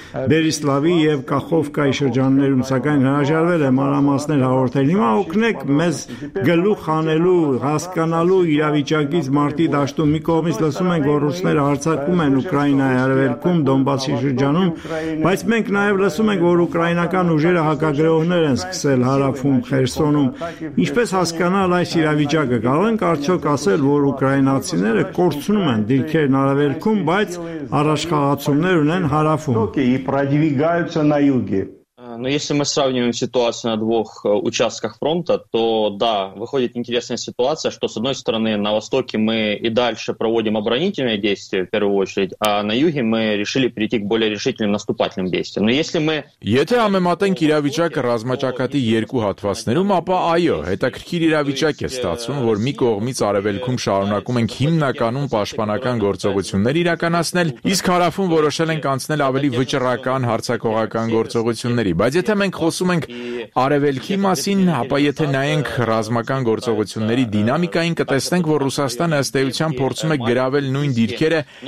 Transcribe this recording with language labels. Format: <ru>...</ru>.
<hy>Բերիսլավի և Կախովկայի շրջաններում, սակայն հրաժարվել է մանրամասներ հաղորդել։ Հիմա օգնեք մեզ գլուխ հանելու, հասկանալու իրավիճակից մարտի դաշտում։ Մի կողմից լսում ենք, որ ռուսները հարձակում են Ուկրաինայի արևելքում, Դոնբասի շրջանում, բայց մենք նաև լսում ենք, որ ուկրաինական ուժերը հակագրողներ են սկսել հարավում Խերսոնում։ Ինչպես հասկանալ այս իրավիճակը, կարող ենք արդյոք ասել, որ ուկրաինացիները կորցնում են դիրքերն արևելքում, բայց առաջխաղացումներ ունեն հարավում։</hy> <ru>И продвигаются на юге. Но если мы сравниваем ситуацию на двух участках фронта, то да, выходит интересная ситуация, что с одной стороны на востоке мы и дальше проводим оборонительные действия в первую очередь, а на юге мы решили перейти к более решительным наступательным действиям. Но если мы</ru> <hy>Եթե համեմատենք իրավիճակը ռազմաճակատի երկու հատվածներում, ապա այո, հետաքրքիր իրավիճակ է ստացվում, որ մի կողմից արևելքում շարունակում ենք հիմնականում պաշտպանական գործողություններ իրականացնել, իսկ հարավում որոշել ենք անցնել ավելի վճռական հարձակողական գործողություններ։ Բայց եթե մենք խոսում ենք արևելքի մասին, ապա եթե նայենք ռազմական գործողությունների դինամիկային, կտեսնենք, որ Ռուսաստանը ըստ էության փորձում է գրավել նույն դիրքերը,</hy>